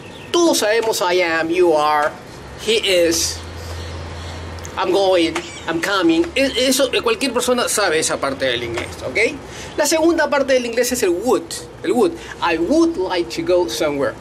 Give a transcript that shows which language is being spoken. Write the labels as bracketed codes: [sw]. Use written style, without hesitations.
[en] Todos sabemos I am, you are, he is, I'm going, I'm coming. [es] Eso, cualquier persona sabe esa parte del inglés, ¿ok? La segunda parte del inglés es el would. [en] I would like to go somewhere.